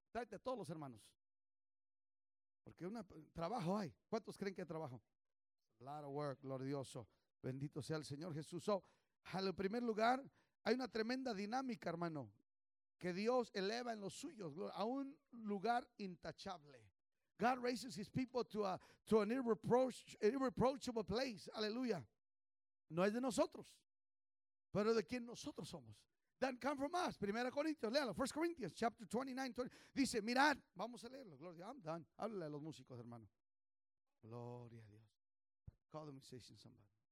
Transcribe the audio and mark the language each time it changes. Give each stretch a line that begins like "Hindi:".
Spanish: Tráete a todos los hermanos. Porque trabajo hay. ¿Cuántos creen que hay trabajo?
English: A lot of work,
Spanish: glorioso. Bendito sea el Señor Jesús. So, en el primer lugar, hay una tremenda dinámica, hermano. Que Dios eleva en los suyos a un lugar intachable.
English: God raises his people to an irreproachable place.
Spanish: Aleluya. No es de nosotros, pero de quien nosotros somos.
English: That come from us.
Spanish: Primera Corintios, léalo.
English: First Corinthians, chapter 29, 20.
Spanish: Dice, mirad, vamos a leerlo. Gloria,
English: I'm done.
Spanish: Háblale a los músicos, hermano. Gloria a Dios.
English: Call the musician somebody.